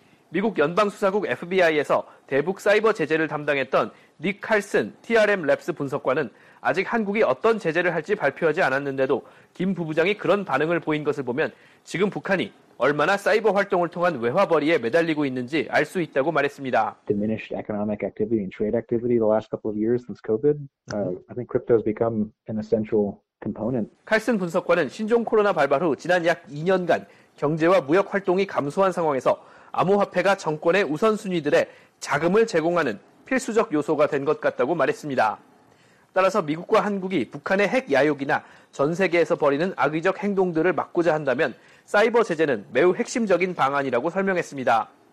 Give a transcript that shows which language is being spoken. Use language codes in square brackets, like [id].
[ko] 미국 연방수사국 FBI에서 대북 사이버 제재를 담당했던 닉 칼슨 TRM 랩스 분석관은 아직 한국이 어떤 제재를 할지 발표하지 않았는데도 김 부부장이 그런 반응을 보인 것을 보면 지금 북한이 얼마나 사이버 활동을 통한 외화벌이에 매달리고 있는지 알 수 있다고 말했습니다. [en] Diminished economic activity and trade activity the last couple of years since COVID. I think crypto has become an essential component. [ko] 칼슨 분석관은 신종 코로나 발발 후 지난 약 2년간 경제와 무역 활동이 감소한 상황에서 암호화폐가 정권의 우선순위들에 자금을 제공하는 필수적 요소가 된 것 같다고 말했습니다. 따라서 미국과 한국이 북한의 핵 야욕이나 전 세계에서 벌이는 악의적 행동들을 막고자 한다면 사이버 제재는 매우 핵심적인 방안이라고 설명했습니다.